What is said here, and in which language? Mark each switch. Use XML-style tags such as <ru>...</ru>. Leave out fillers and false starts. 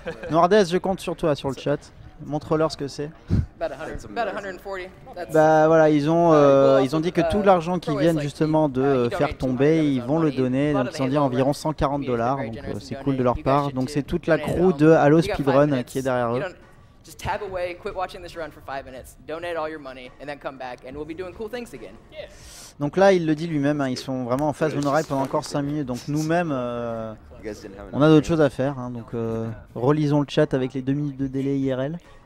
<fr>Nordes, je compte sur toi sur le chat. Montre-leur ce que c'est. Bah voilà, ils ont dit que tout l'argent qui vient justement de faire tomber, ils vont le donner. Donc ils ont dit environ $140, donc c'est cool de leur part. Donc c'est toute la crew de Halo Speedrun qui est derrière eux.</fr> <en>Just tab away, quit watching this run for 5 minutes, donate all your money, and then come back, and we'll be doing cool things again.</en> <fr>Donc là, il le dit lui-même, hein, ils sont vraiment en face de Monorail pendant encore 5 minutes, donc nous-mêmes, on a d'autres choses à faire, hein, donc relisons le chat avec les 2 minutes de délai IRL.</fr>